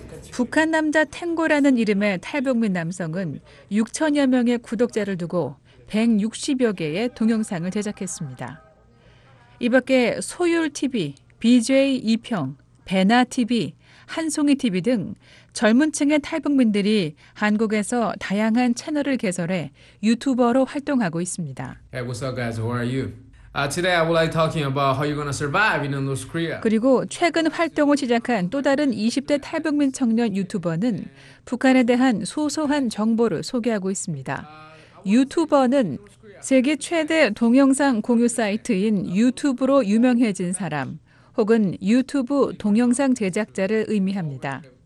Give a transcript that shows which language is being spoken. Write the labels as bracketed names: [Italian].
[Korean] 북한 남자 탱고라는 이름의 탈북민 남성은 6천여 명의 구독자를 두고 160여 개의 동영상을 제작했습니다. 이밖에 소율 TV, BJ 이평, 배나 TV, 한송이 TV 등 젊은층의 탈북민들이 한국에서 다양한 채널을 개설해 유튜버로 활동하고 있습니다. [English] Hey, what's up, guys? How are you? Today I would like talking about how you're gonna survive in North Korea. [Korean] 그리고 최근 활동을 시작한 또 다른 20대 탈북민 청년 유튜버는 북한에 대한 소소한 정보를 소개하고 있습니다. 유튜버는 세계 최대 동영상 공유 사이트인 유튜브로 유명해진 사람 혹은 유튜브 동영상 제작자를 의미합니다.